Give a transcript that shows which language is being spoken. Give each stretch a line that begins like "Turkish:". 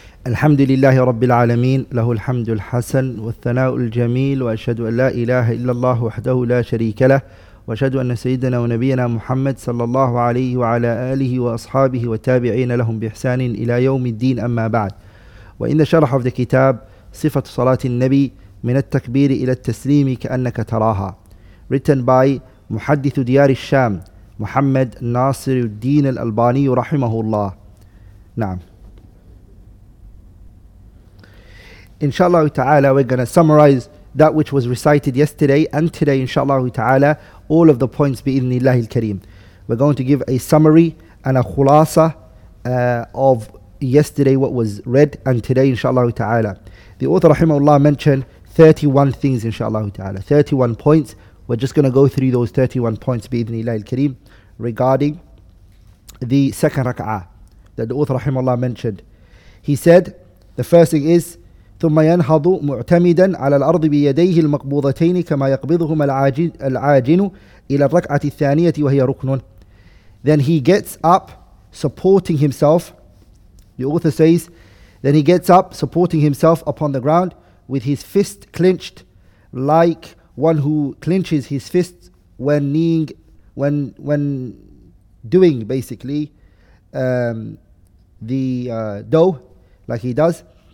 Arabic: الحمد لله رب العالمين له الحمد الحسن والثناء الجميل وأشهد أن لا إله إلا الله وحده لا شريك له وأشهد أن سيدنا ونبينا محمد صلى الله عليه وعلى آله وأصحابه وتابعين لهم بإحسان إلى يوم الدين أما بعد وإن شرح في الكتاب صفة صلاة النبي من التكبير إلى التسليم كأنك تراها
English: written by
Arabic: محدث ديار الشام محمد ناصر الدين الألباني رحمه الله
English: نعم Inshallah ta'ala, we're going to summarize that which was recited yesterday and today, inshallah ta'ala, all of the points bi'idhnillahi al-kareem. We're going to give a summary and a khulasa of yesterday, what was read, and today, inshallah ta'ala. The author, rahimahullah, mentioned 31 things, inshallah ta'ala, 31 points. We're just going to go through those 31 points bi'idhnillahi al-kareem regarding the second rak'ah that the author, rahimahullah, mentioned. He said, the first thing is,
Arabic: ثم ينهض معتمدا على الأرض بيديه المقبوضتين كما يقبضهما العاجن إلى الركعة الثانية وهي ركن.
English: Then he gets up supporting himself. The author says, then he gets up supporting himself upon the ground with his fist clenched, like one who clenches his fist when kneeing, when doing basically the dough, like he does.